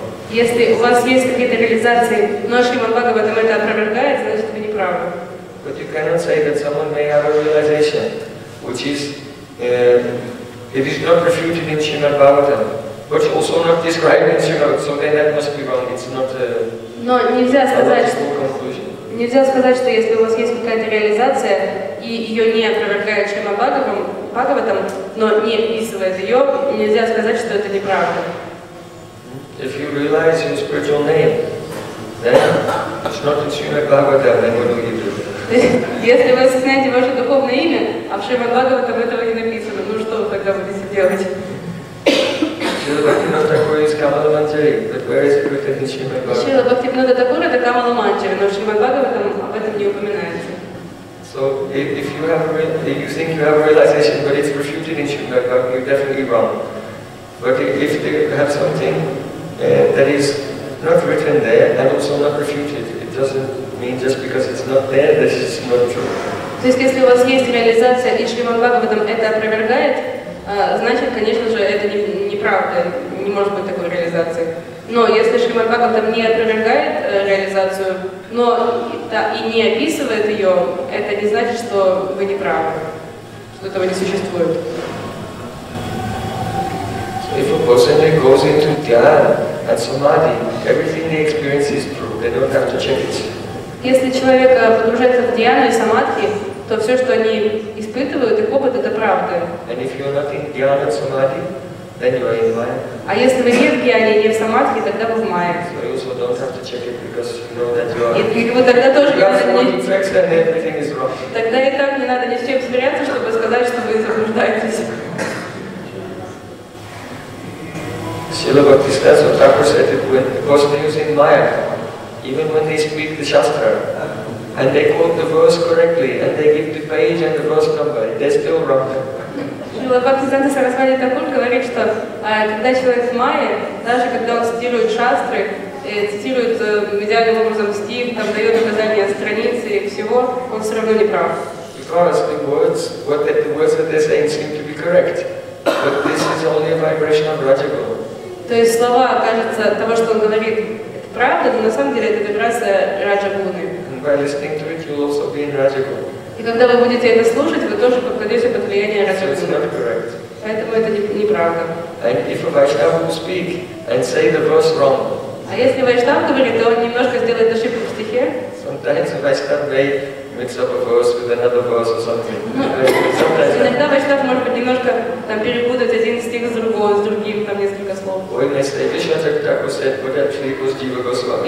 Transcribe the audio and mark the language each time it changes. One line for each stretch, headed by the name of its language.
Russian: Если у вас есть какие-то реализации, но Шримад Бхагаватам это опровергает, значит вы не правы.
English: But you cannot say that someone may have a realization which is it is not refuted in Srimad Bhagavatam, but also not described in Srimad, so then that must be wrong. It's not a logical conclusion.
Russian: Нельзя сказать, что если у вас есть какая-то реализация, и ее не опровергает Шримад Бхагаватам, но не описывает ее, нельзя сказать, что это неправда.
English: If you realize your spiritual name, then it's not in Srimad Bhagavatam, then what do you do?
Russian: Если вы осознаете ваше духовное имя, а в Шримад Бхагаватам этого не написано, ну что вы тогда будете делать?
English: Шрила Бхактивинода Такура is Камала Манджари, but where is it written in Шримад Бхагаватам?
Russian: Шрила Бхактивинода Такура это Камала Манджари, но в Шримад Бхагаватам об этом не упоминается.
English: So if you have a you think you have a realization, but it's refuted in Shrimad Bhagavatam, you're definitely wrong. But if you have something that is not written there and also not refuted, it doesn't mean just because it's not there that it's not true.
Russian: То есть если у вас есть реализация и Шримад Бхагаватам это опровергает, значит, конечно же, это неправда, не может быть такой реализации. Но если Шримад Бхагаватам не опровергает реализацию, но и не описывает ее, это не значит, что вы не правы, что этого не существует.
English: If a person goes into dhyana and samadhi, everything they experience is true. They don't have to check it.
Russian: Если человек погружается в дхьяну и самадхи, то все, что они испытывают, их опыт, это правда.
English: And if you're not in dhyana and samadhi, then you are in maya.
Russian: А если вы не в дхьяне и не в самадхи, тогда вы в майе.
English: So you also don't have to check it because you know that you are.
Russian: И вот тогда тоже не надо ни.
English: Everything is wrong.
Russian: Тогда и так не надо ни с чем сверяться, чтобы сказать, что вы заблуждаетесь.
English: Srila Bhaktisiddhanta Thakur said that when the person is in maya, even when they speak the shastra and they quote the verse correctly and they give the page and the verse number, they're still wrong.
Russian: Srila Bhaktisiddhanta Saraswati Thakur говорит, что когда человек в майе, даже когда он цитирует шастры, цитирует идеальным образом стих, там дает указания страницы и всего, он все равно не прав.
English: Because the words, what the words that they're saying seem to be correct. But this is only a vibration of Rajagun.
Russian: То есть слова, кажется, того, что он говорит, это правда, но на самом деле это вибрация Раджа-гуны.
English: And by listening to it, you'll also be in Раджа-гуна.
Russian: И когда вы будете это слушать, вы тоже попадете под влияние Раджа-гуны.
English: So it's not correct.
Russian: Поэтому это неправда.
English: And if a Vaishnava will speak and say the verse wrong.
Russian: А если Vaishnava говорит, то он немножко сделает ошибку в стихе.
English: Sometimes a Vaishnava may mix up a verse with another verse or something. Sometimes
Russian: иногда Vaishnava может быть немножко там перепутать один стих с другого, с другим, там несколько слов. Ой, мне стоит еще так так усет, вот я пришли его с Дива Госвами.